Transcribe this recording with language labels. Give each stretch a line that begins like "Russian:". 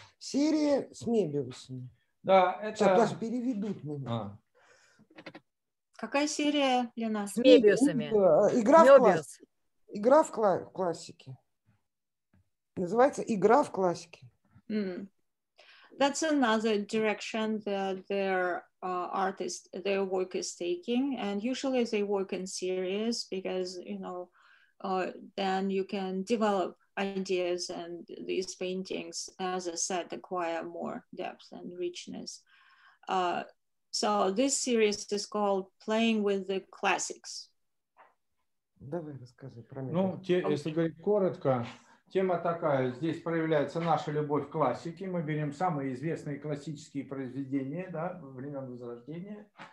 Russian: Серия с Мебиусами. Да, это... Сейчас даже переведут меня. А. Какая серия для нас? С Мебиусами. Игра в классике. Называется «Игра в классике».
English: That's another direction that their artist, their work is taking. And usually they work in series because, you know, then you can develop ideas and these paintings, as I said, acquire more depth and richness. So this series is called Playing with the Classics.
Russian: Давай расскажи про меня. Ну, если говорить коротко... Тема такая, здесь проявляется наша любовь к классике. Мы берем самые известные классические произведения, да, времен Возрождения.